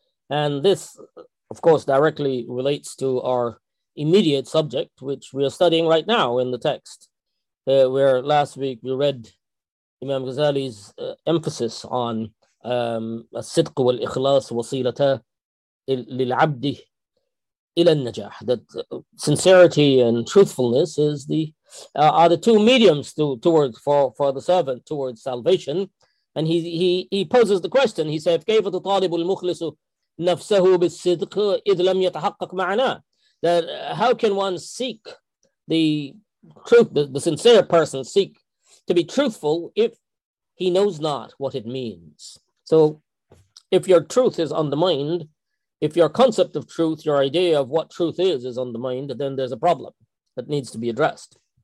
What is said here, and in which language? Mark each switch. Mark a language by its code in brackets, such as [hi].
[en] And this, of course, directly relates to our immediate subject, which we are studying right now in the text, where last week we read Imam Ghazali's emphasis on [ar] as-sidq wal-ikhlas wasilata lil-abdi. [en] That sincerity and truthfulness is are the two mediums towards the servant towards salvation. And he poses the question. He said, [ar] كيف تطالب المخلص نفسه بالصدق إذ لم يتحقق معنا? [en] That how can one seek the truth, the sincere person seek to be truthful if he knows not what it means? So if your truth is undermined, if your concept of truth, your idea of what truth is undermined, then there's a problem that needs to be addressed.